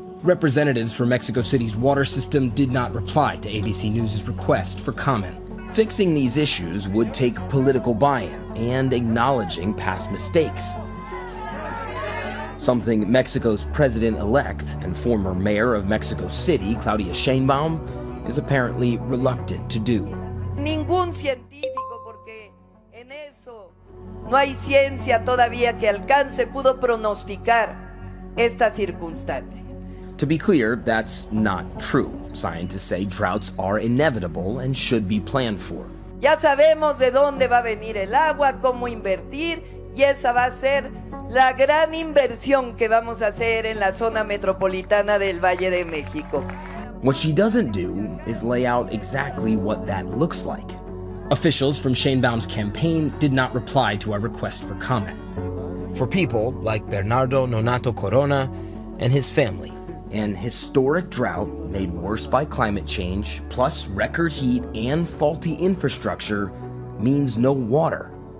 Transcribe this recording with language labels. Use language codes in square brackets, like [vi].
[en] Representatives for Mexico City's water system did not reply to ABC News' request for comment. Fixing these issues would take political buy-in and acknowledging past mistakes, something Mexico's president-elect and former mayor of Mexico City, Claudia Sheinbaum, is apparently reluctant to do. [es] Ningún científico, porque en eso no hay ciencia todavía que alcance, pudo pronosticar esta circunstancia. [en] To be clear, that's not true. Scientists say droughts are inevitable and should be planned for. [es] Ya sabemos de dónde va a venir el agua, cómo invertir, y esa va a ser la gran inversión que vamos a hacer en la zona metropolitana del Valle de México. [en] What she doesn't do is lay out exactly what that looks like. Officials from Sheinbaum's campaign did not reply to our request for comment. For people like Bernardo Nonato Corona, and his family. An historic drought made worse by climate change, plus record heat and faulty infrastructure, means no water.